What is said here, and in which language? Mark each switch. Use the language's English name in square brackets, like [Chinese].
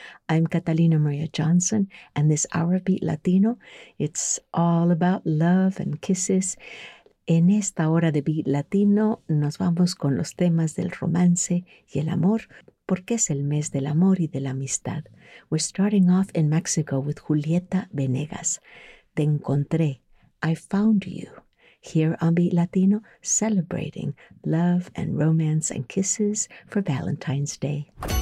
[English] I'm Catalina Maria Johnson, and this hour of Beat Latino, it's all about love and kisses. [Spanish] En esta hora de Beat Latino, nos vamos con los temas del romance y el amor, porque es el mes del amor y de la amistad. [English] We're starting off in Mexico with Julieta Venegas. Te encontré. I found you. Here on Beat Latino, celebrating love and romance and kisses for Valentine's Day.